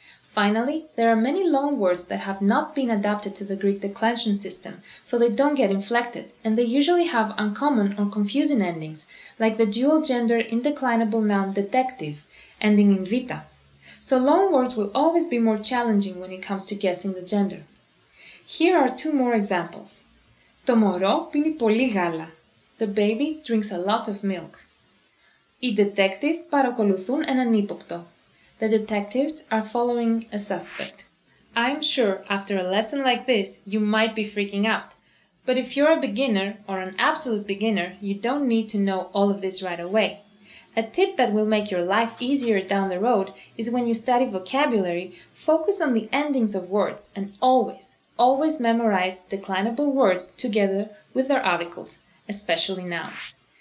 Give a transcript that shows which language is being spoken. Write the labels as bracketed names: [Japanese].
[English] Finally, there are many long words that have not been adapted to the Greek declension system, so they don't get inflected, and they usually have uncommon or confusing endings, like the dual-gender indeclinable noun detective, ending in vita. So long words will always be more challenging when it comes to guessing the gender. Here are two more examples. [Greek] Το μωρό πίνει πολύ γάλα. [English] The baby drinks a lot of milk. [Greek] Οι detective παρακολουθούν έναν ύποπτο. [English] The detectives are following a suspect. I'm sure after a lesson like this, you might be freaking out. But if you're a beginner or an absolute beginner, you don't need to know all of this right away. A tip that will make your life easier down the road is when you study vocabulary, focus on the endings of words and always, always memorize declinable words together with their articles, especially nouns.